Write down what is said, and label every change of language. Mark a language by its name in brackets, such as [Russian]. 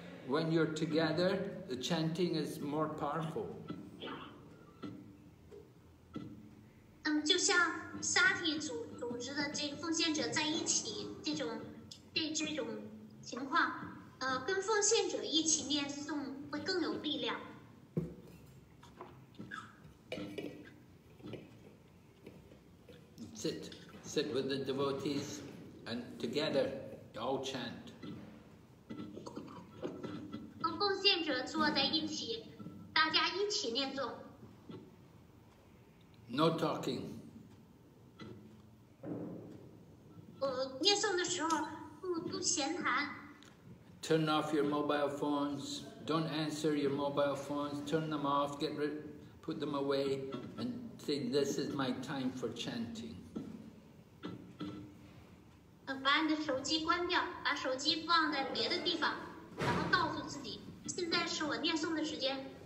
[English] When you're together, the chanting is more powerful. [Chinese] 就像 Sati 组织的这个奉献者在一起，这种情况，跟奉献者一起念诵会更有力量。 [English] Sit with the devotees. And together, they all chant. [Chinese] 和奉献者坐在一起，大家一起念诵。 [English] No talking. [Chinese] 念诵的时候不闲谈。 [English] Turn off your mobile phones. Don't answer your mobile phones. Turn them off. Put them away, and say, "This is my time for chanting." [Chinese] 把你的手机关掉，把手机放在别的地方，然后告诉自己，现在是我念诵的时间。